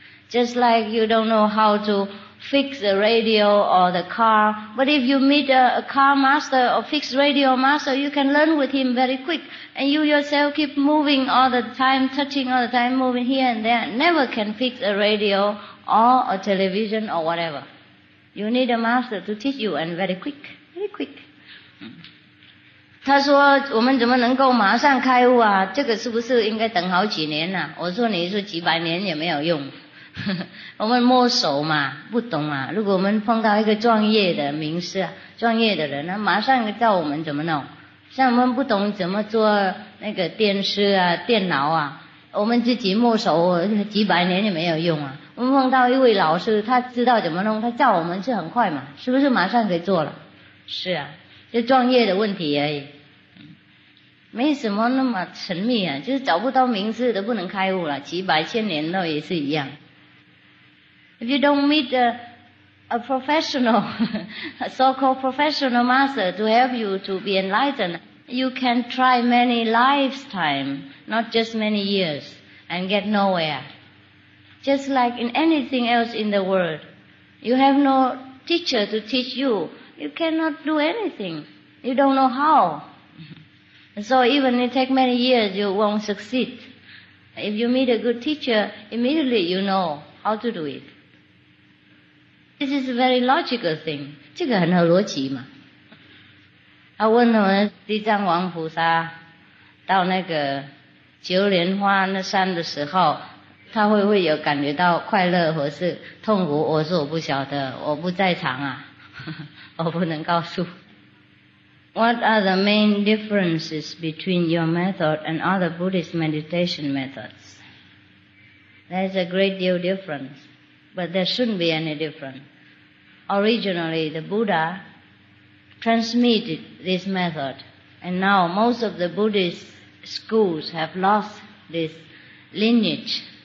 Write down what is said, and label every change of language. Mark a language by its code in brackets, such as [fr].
[en] Just like you don't know how to fix the radio or the car, but if you meet a car master or fix radio master, you can learn with him very quick. And you yourself keep moving all the time, touching all the time, moving here and there, never can fix a radio or a television or whatever. You need a master to teach you, and very quick, very quick. [zh] 他说我们怎么能够马上开悟啊，这个是不是应该等好几年啊，我说你说几百年也没有用。我们摸熟嘛，不懂嘛，如果我们碰到一个专业的名师，专业的人，那马上叫我们怎么弄。像我们不懂怎么做那个电视啊电脑啊，我们自己摸熟几百年也没有用啊。我们碰到一位老师，他知道怎么弄，他叫我们是很快嘛，是不是马上可以做了？是啊，就专业的问题而已，没什么那么神秘啊，就是找不到名师都不能开悟了，几百千年都也是一样。 [en] If you don't meet a professional, a so-called professional master to help you to be enlightened, you can try many lifetime, not just many years, and get nowhere. Just like in anything else in the world, you have no teacher to teach you. You cannot do anything. You don't know how. So even it takes many years, you won't succeed. If you meet a good teacher, immediately you know how to do it. This is a very logical thing. [zh] 这个很合逻辑嘛。他问我们地藏王菩萨到那个九莲花那山的时候，他会不会有感觉到快乐或是痛苦？我说我不晓得，我不在场啊，我不能告诉。 [en] What are the main differences between your method and other Buddhist meditation methods? There's a great deal difference. But there shouldn't be any difference. Originally, the Buddha transmitted this method, and now most of the Buddhist schools have lost this lineage.